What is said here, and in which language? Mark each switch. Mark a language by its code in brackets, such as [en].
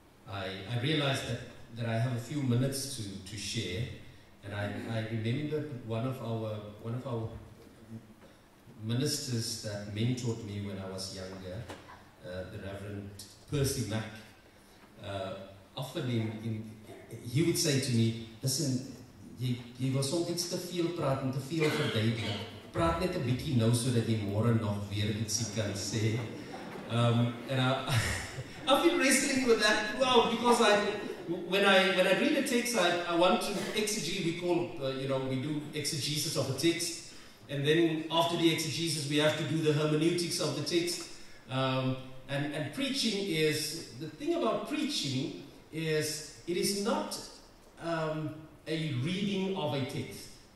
[en] I realize that I have a few minutes to share, and I remember one of our ministers that mentored me when I was younger, the Reverend Percy Mack, often he would say to me, "Listen, [af] jy was om iets te veel praat en te veel verduidelik. Praat net 'n bietjie nou sodat jy môre nog weer ietsie kan sê." [en] I've been wrestling with that, well, because when I read a text, I want to exegete. We call, we do exegesis of a text, and then after the exegesis, we have to do the hermeneutics of the text. And preaching is, the thing about preaching is, it is not a reading of a text.